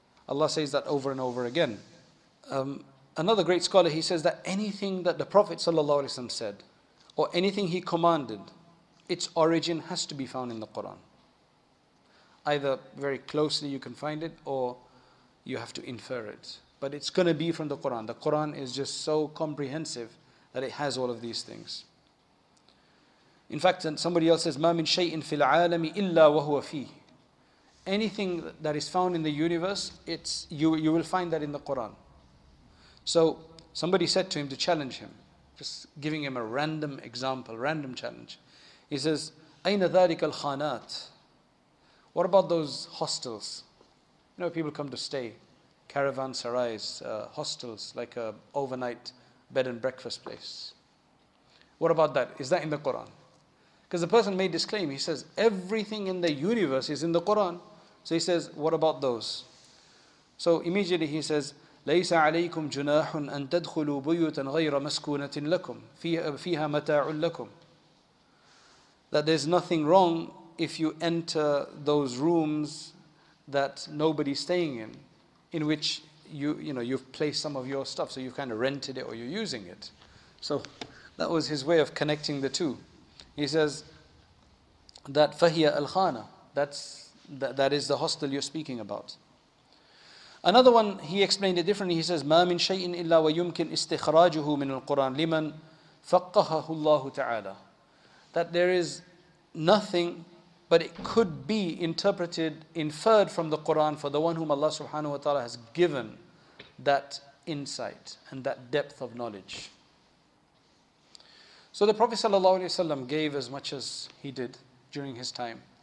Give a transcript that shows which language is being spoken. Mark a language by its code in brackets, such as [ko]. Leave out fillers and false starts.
[en] Allah says that over and over again. Another great scholar, he says that anything that the Prophet ﷺ said, or anything he commanded, its origin has to be found in the Quran. Either very closely you can find it, or you have to infer it. But it's going to be from the Quran. The Quran is just so comprehensive that it has all of these things. In fact, somebody else says, [ar] مَا مِن شَيْءٍ فِي الْعَالَمِ إِلَّا وَهُوَ فِيهِ. [en] Anything that is found in the universe, you will find that in the Quran. So somebody said to him to challenge him, just giving him a random example, random challenge. He says, [ar] أَيْنَ ذَلِكَ الْخَانَاتِ. [en] What about those hostels? You know, people come to stay, caravanserais, hostels, like a overnight bed and breakfast place. What about that? Is that in the Quran? Because the person made this claim. He says, everything in the universe is in the Quran. So he says, what about those? So immediately he says, [ar] لَيْسَ عَلَيْكُمْ جُنَاحٌ أَن تَدْخُلُوا بُيُوتًا غَيْرَ مَسْكُونَةٍ لَكُمْ فِيهَا مَتَاعٌ لَكُمْ. [en] That there's nothing wrong if you enter those rooms that nobody's staying in which you've placed some of your stuff, so you've kind of rented it or you're using it. So that was his way of connecting the two. He says that [ar] فَهِيَ الْخَانَةٌ, [en] that is the hostel you're speaking about. Another one, he explained it differently. He says, [ar] مَا مِن شَيْءٍ إِلَّا وَيُمْكِنْ إِسْتِخْرَاجُهُ مِنُ الْقُرْآنِ لِمَنْ فَقَّهَهُ اللَّهُ تَعَالَى. [en] That there is nothing, but it could be interpreted, inferred from the Qur'an for the one whom Allah subhanahu wa ta'ala has given that insight and that depth of knowledge. So the Prophet sallallahu alaihi wasallam gave as much as he did during his time.